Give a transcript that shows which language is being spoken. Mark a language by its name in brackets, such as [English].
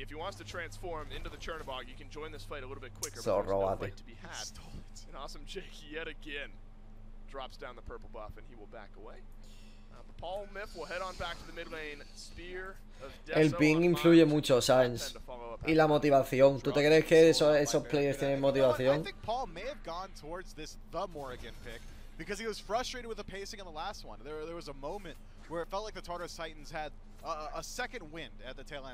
[English] If he wants to transform into the Chernobog, you can join this fight a little bit quicker. So robotic. No an awesome Jake yet again drops down the purple buff and he will back away. Paul Miff will head on back to the mid lane. Spear of [Spanish] el ping influye mucho, Sainz. Y la motivación. ¿Tú te crees que esos players tienen motivación? [English] I think Paul may have gone towards this the Morrigan pick because he was frustrated with the pacing in the last one. There was a moment where it felt like the Tartarus Titans had a second wind at the tail end.